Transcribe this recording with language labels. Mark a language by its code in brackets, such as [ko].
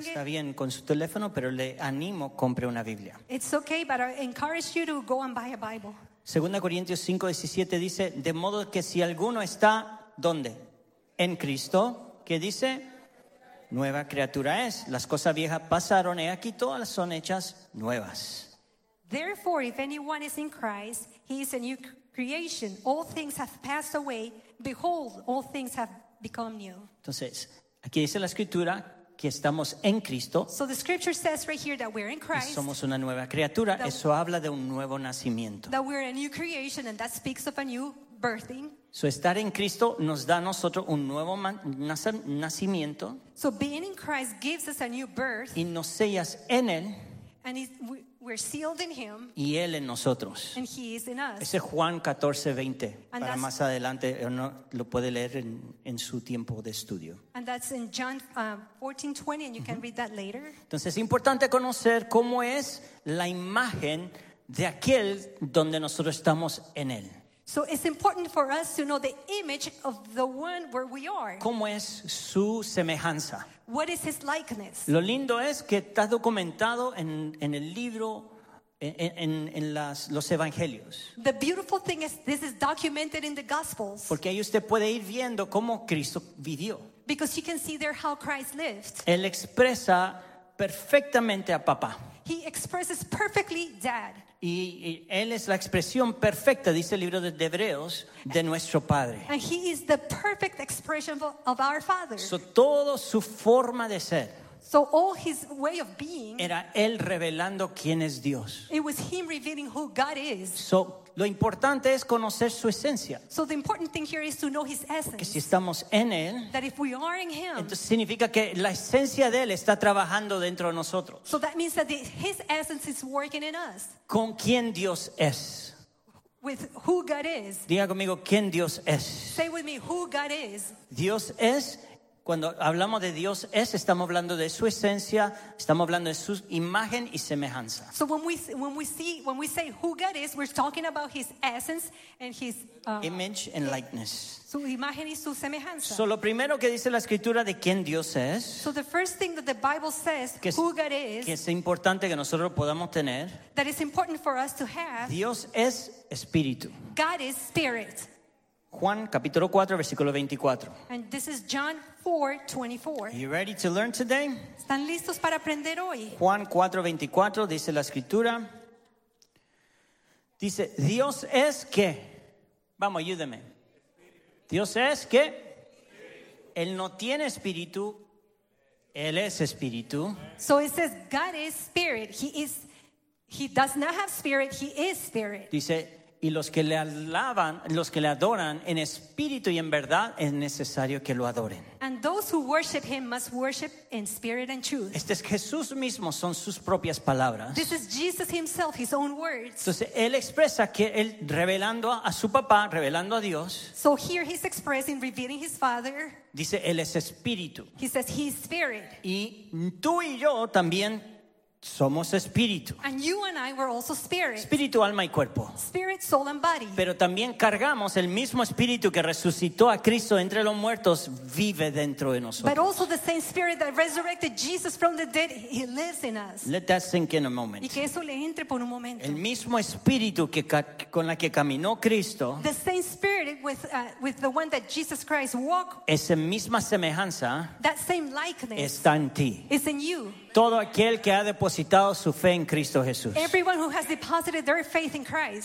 [es] está bien con su teléfono, pero le animo, compre una Biblia. [en] It's okay, but I encourage you to go and buy a Bible. [es] 2 Corintios 5, 17 dice, de modo que si alguno está, ¿dónde? En Cristo, ¿qué dice? Nueva criatura es. Las cosas viejas pasaron, y aquí todas son hechas nuevas. [en] Therefore, if anyone is in Christ, he is a new creation. All things have passed away. Behold, all things have become new. [es] Entonces, aquí dice la escritura que estamos en Cristo. [en] So the scripture says right here that we're in Christ. [es] Somos una nueva criatura. Eso habla de un nuevo nacimiento. [en] That we're a new creation, and that speaks of a new birthing. [es] So estar en Cristo nos da a nosotros un nuevo nacimiento. [en] So being in Christ gives us a new birth. [es] Y nos sellas en Él. [en] And we're sealed in Him. [es] Y Él en nosotros. [en] And He is in us. [es] Ese Juan 14, 20. And para más adelante, uno lo puede leer en su tiempo de estudio. [en] And that's in John 14, 20, and you can read that later. [es] Entonces es importante conocer cómo es la imagen de aquel donde nosotros estamos en Él. [en] So it's important for us to know the image of the one where we are. [es] ¿Cómo es su semejanza? [en] What is his likeness? [es] Lo lindo es que está documentado en el libro, en las, los evangelios. [en] The beautiful thing is this is documented in the gospels. [es] Porque ahí usted puede ir viendo cómo Cristo vivió. [en] Because you can see there how Christ lived. [es] Él expresa perfectamente a papá. [en] He expresses perfectly dad. [es] Y Él es la expresión perfecta, dice el libro de Hebreos, de nuestro Padre. [en] And He is the perfect expression of our Father. [es] So, todo su forma de ser. [en] So all His way of being. [es] Era Él revelando quién es Dios. [en] It was Him revealing who God is. [es] So, lo importante es conocer su esencia. [en] So the important thing here is to know His essence. [es] Que si estamos en Él. [en] That if we are in Him. [es] Entonces significa que la esencia de Él está trabajando dentro de nosotros. [en] So that means that His essence is working in us. [es] ¿Con quién Dios es? [en] With who God is. [es] Diga conmigo, ¿quién Dios es? [en] Say with me, who God is. [es] Dios es. Cuando hablamos de Dios es, estamos hablando de su esencia, estamos hablando de su imagen y semejanza. [en] So when we say who God is, we're talking about His essence and His image and likeness. [es] Su imagen y su semejanza. So lo primero que dice la escritura de quién Dios es. [en] So the first thing that the Bible says who God is. [es] Que es importante que nosotros podamos tener. [en] That is important for us to have. [es] Dios es espíritu. [en] God is spirit. [es] Juan capítulo 4 versículo 24. [en] And this is John 4:24. You ready to learn today? [es] ¿Están listos para aprender hoy? Juan 4:24 dice la escritura. Dice, Dios es que. Vamos, ayúdeme. Dios es que. Él no tiene espíritu. Él es espíritu. [en] So it says God is spirit. He does not have spirit. He is spirit. [es] Dice, y los que le alaban, los que le adoran en espíritu y en verdad, es necesario que lo adoren. [en] And those who worship Him must worship in spirit and truth. [es] Este es Jesús mismo, son sus propias palabras. [en] This is Jesus Himself, His own words. [es] Entonces, Él expresa que Él, revelando a su papá, revelando a Dios. [en] So here He's expressing, revealing His Father. [es] Dice, Él es espíritu. [en] He says, He's spirit. [es] Y tú y yo también somos espíritu. [en] And you and I were also spirit. [es] Espíritu, alma y cuerpo. [en] Spirit, soul and body. [es] Pero también cargamos el mismo espíritu que resucitó a Cristo entre los muertos, vive dentro de nosotros. [en] But also the same spirit that resurrected Jesus from the dead, He lives in us. Let that sink in a moment. [es] Y que eso le entre por un momento. El mismo espíritu que con la que caminó Cristo. [en] The same spirit with with the one that Jesus Christ walked. [es] Esa misma semejanza, [en] that same likeness, [es] está en ti. [en] Is in you. [es] Todo aquel que ha depositado su fe en Cristo Jesús. [en] Everyone who has deposited their faith in Christ.